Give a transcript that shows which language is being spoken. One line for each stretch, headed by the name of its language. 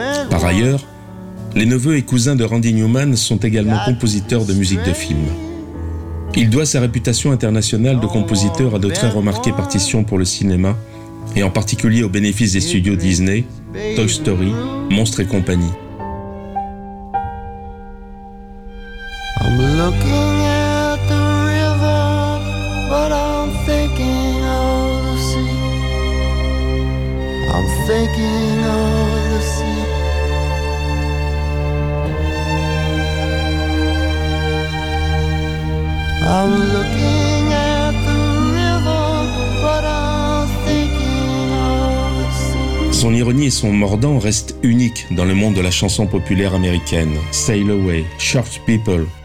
French: Par ailleurs, les neveux et cousins de Randy Newman sont également compositeurs de musique de film. Il doit sa réputation internationale de compositeur à de très remarquées partitions pour le cinéma, et en particulier au bénéfice des studios Disney, Toy Story, Monstres et compagnie.
English: I'm looking at the river, but I'm thinking of the sea. I'm thinking of the sea. I'm looking at the river, but I'm thinking of the sea.
French: Son ironie et son mordant restent uniques dans le monde de la chanson populaire américaine.
English: Sail Away, Short People.